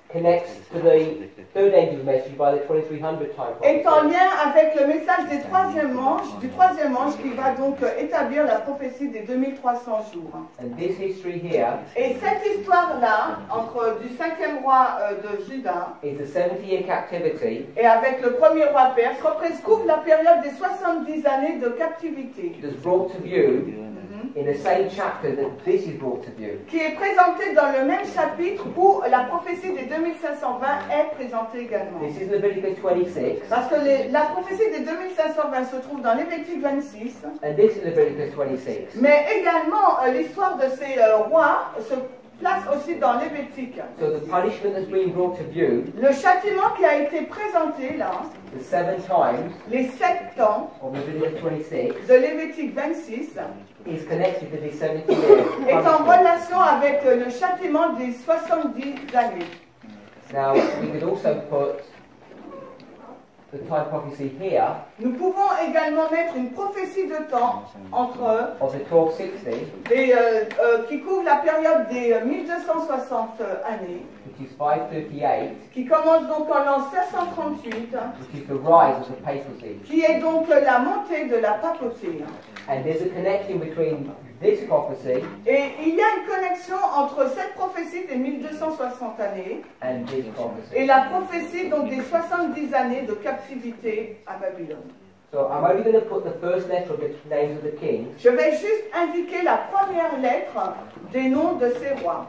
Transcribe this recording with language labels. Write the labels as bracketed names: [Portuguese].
[English] Connects to the third angel's message by the 2300 time prophecy. [French] Est en lien avec le message des troisième anges, du troisième ange qui va donc établir la prophétie des 2300 jours. [English] And this history here. [French] Et cette histoire là entre du cinquième roi de Juda. [English] Is the 70-year captivity. [French] Et avec le premier roi perse couvre la période des 70 années de captivité. [English] Is brought to view. In the same chapter that this is brought to view. [French] Qui est présenté dans le même chapitre où la prophétie des 2520 est présentée également. [English] This is Leviticus 26. [French] Parce que la prophétie des 2520 se trouve dans Lévitique 26. [English] And this is Leviticus 26. [French] Mais également l'histoire de ces rois se place aussi dans Lévitique. [English] So the punishment that's been brought to view. [French] Le châtiment qui a été présenté là. [English] The seven times. [French] Les sept temps. [English] Of Leviticus 26. [French] De Lévitique 26. [English] Is connected to the 70 [French] est en relation avec le châtiment des 70 années. [English] Now, we could also put the time prophecy here. [French] Nous pouvons également mettre une prophétie de temps entre [English] of the 1260, [French] qui couvre la période des 1260 années. [English] Which is 538, [French] qui commence donc en l'an 538, [English] which is the rise of the papacy, [French] qui est donc la montée de la papauté. [English] And there's a connection between this prophecy, [French] et il y a une connexion entre cette prophétie des 1260 années [English] and this prophecy, [French] et la prophétie donc des 70 années de captivité à Babylone. [English] So I'm only going to put the first letter of the names of the kings. [French] Je vais juste indiquer la première lettre des noms de ces rois.